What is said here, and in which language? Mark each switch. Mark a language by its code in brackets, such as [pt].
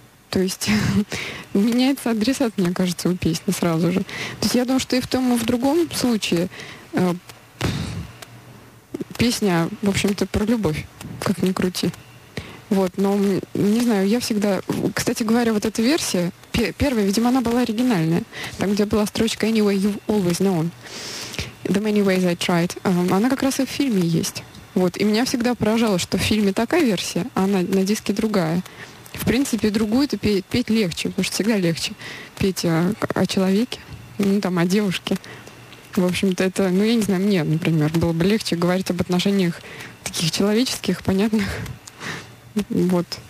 [ru] То есть меняется адресат, мне кажется, у песни сразу же. То есть я думаю, что и в том, и в другом случае песня, в общем-то, про любовь, как ни крути. Вот, но не знаю, я всегда... Кстати говоря, вот эта версия... Первая, видимо, она была оригинальная. Там, где была строчка [en] «Anyway, you've always known the many ways I tried». [ru] Она как раз и в фильме есть. Вот. И меня всегда поражало, что в фильме такая версия, а на диске другая. В принципе, другую-то петь легче, потому что всегда легче петь о человеке, ну, там, о девушке. В общем-то, это, ну, я не знаю, мне, например, было бы легче говорить об отношениях таких человеческих, понятных. Вот.